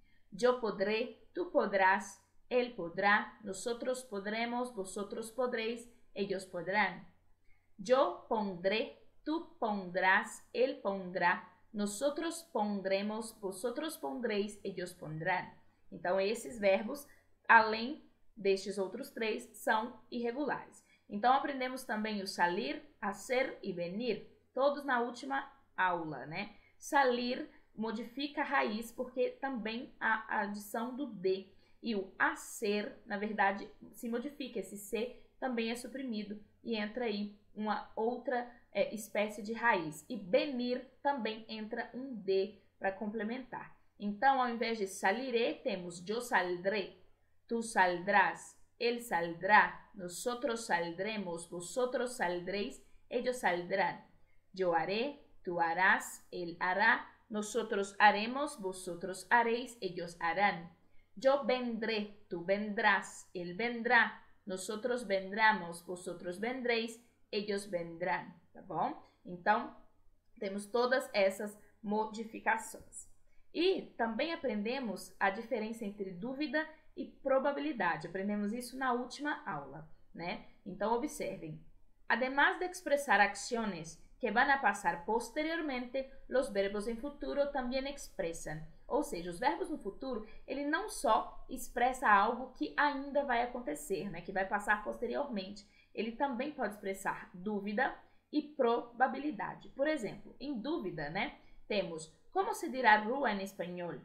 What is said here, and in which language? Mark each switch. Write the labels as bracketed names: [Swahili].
[Spanish] Yo podré, tú podrás, él podrá, nosotros podremos, vosotros podréis, ellos podrán. Yo pondré, tú pondrás, él pondrá, nosotros pondremos, vosotros pondréis, ellos pondrán. [Portuguese] Então, esses verbos, além destes outros três, são irregulares. Então, aprendemos também o salir, hacer e venir, todos na última aula, né? Salir modifica a raiz porque também há a adição do de. E o hacer, na verdade, se modifica, esse se também é suprimido e entra aí uma outra espécie de raiz. E benir também entra um D para complementar. Então, ao invés de salire, temos yo saldré, [Spanish] Tú saldrás, él saldrá, nosotros saldremos, vosotros saldréis, ellos saldrán. Yo haré, tú harás, él hará, nosotros haremos, vosotros haréis, ellos harán. Yo vendré, tú vendrás, él vendrá, nosotros vendremos, vosotros vendréis, ellos vendrán. [Portuguese] ¿Está bom? Então, temos todas essas modificações. E também aprendemos a diferença entre dúvida e probabilidade. Aprendemos isso na última aula, né? Então, observem. [Spanish] Además de expressar acciones que van a pasar posteriormente, los verbos en futuro también expresan. [Portuguese] Ou seja, os verbos no futuro, ele não só expressa algo que ainda vai acontecer, né? Que vai passar posteriormente. Ele também pode expressar dúvida e probabilidade. Por exemplo, em dúvida, né? Temos, como se dirá rua em espanhol?